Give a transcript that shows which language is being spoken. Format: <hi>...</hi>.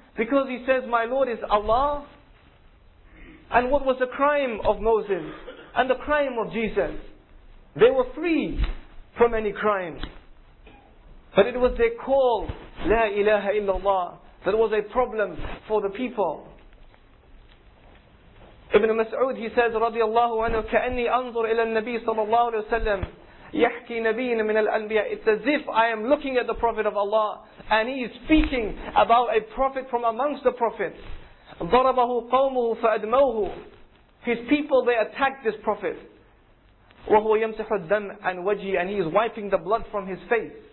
<en>Because he says, my Lord is Allah? And what was the crime of Moses? And the crime of Jesus? They were free from any crime. But it was their call, La ilaha illallah, that was a problem for the people. Ibn Mas'ud, he says,</en> <ar>رضي الله عنه, كأني أنظر إلى النبي صلى الله عليه وسلم يحكي نبينا من الأنبياء.</ar> <en>It's as if I am looking at the Prophet of Allah, and he is speaking about a prophet from amongst the prophets.</en> <ar>ضربه قومه فأدموه.</ar> <en>His people, they attacked this prophet.</en> <ar>وهو يمسح الدم عن وجهه,</ar> <en>and he is wiping the blood from his face.</en>